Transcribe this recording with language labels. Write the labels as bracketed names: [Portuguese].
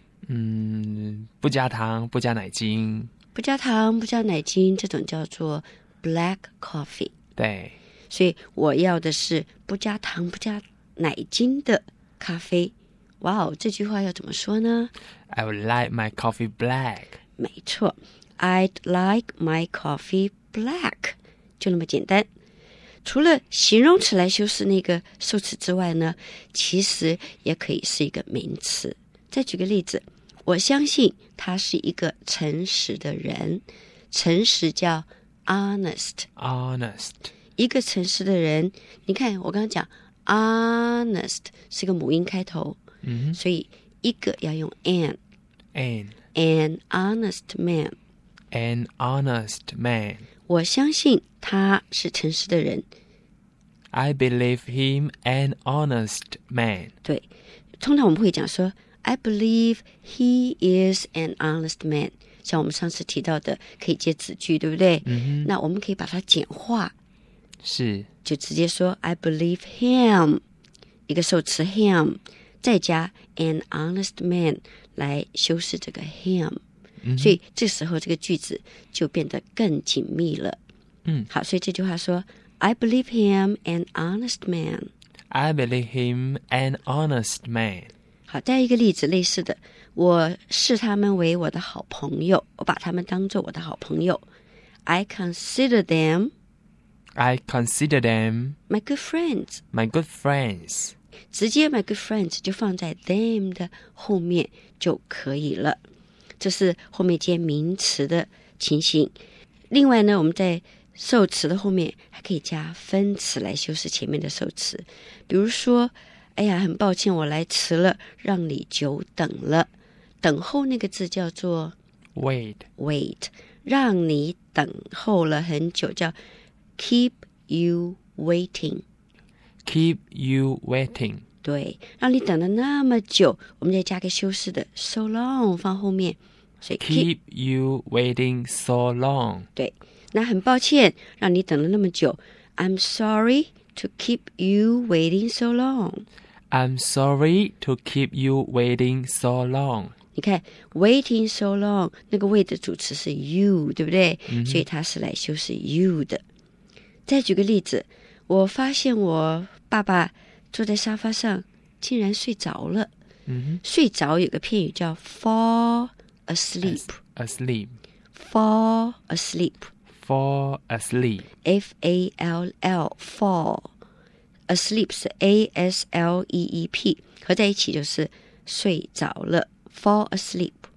[Chinese] 嗯，不加糖，不加奶精。不加糖，不加奶精，这种叫做 [English] black coffee。 [Chinese] 对。所以我要的是不加糖，不加奶精的咖啡。哇哦，这句话要怎么说呢？ [English] I would like my coffee black。 [Chinese] 没错。 [English] I'd like my coffee black， [Chinese] 就那么简单。除了形容词来修饰那个受词之外呢，其实也可以是一个名词。再举个例子，我相信他是一个诚实的人，诚实叫 honest， [English] honest， [Chinese] 一个诚实的人。你看我刚刚讲 honest 是个母音开头、 mm-hmm. 所以一个要用 an， [English] an， an honest man An honest man. [Chinese] 我相信他是诚实的人。 [English] I believe him an honest man. [Chinese] 对，通常我们会讲说 [English] I believe he is an honest man. [Chinese] 像我们上次提到的可以接子句，对不对、 mm-hmm. 那我们可以把它简化，是，就直接说 [English] I believe him， [Chinese] 一个受词 him， 再加 an honest man 来修饰这个 him。所以这时候这个句子就变得更紧密了。嗯，好，所以这句话说 [English] I believe him an honest man. I believe him an honest man. [Chinese] 好，再一个例子类似的，我视他们为我的好朋友，我把他们当作我的好朋友。 [English] I consider them my good friends. My good friends. [Chinese] 直接 my good friends 就放在 them 的后面就可以了。这是后面接名词的情形。另外呢，我们在受词的后面还可以加分词来修饰前面的受词。比如说，哎呀，很抱歉，我来迟了，让你久等了。等候那个字叫做 [English] wait，让你等候了很久叫 keep you waiting。 keep you waiting。 [Chinese] 对，让你等了那么久，我们再加个修饰的 so long 放后面，所以 [English] keep you waiting so long。 [Chinese] 对，那很抱歉让你等了那么久 ， [English] I'm sorry to keep you waiting so long。 I'm sorry to keep you waiting so long。 [Chinese] 你看 waiting so long 那个 wait 的主词是 you， 对不对？ Mm-hmm. 所以它是来修饰 you 的。再举个例子，我发现我爸爸。坐在沙发上竟然睡着了、 mm-hmm. 睡着有个片语叫 fall asleep [English] asleep fall asleep fall asleep F-A-L-L fall asleep 是 A-S-L-E-E-P [Chinese] 合在一起就是睡着了 [English] fall asleep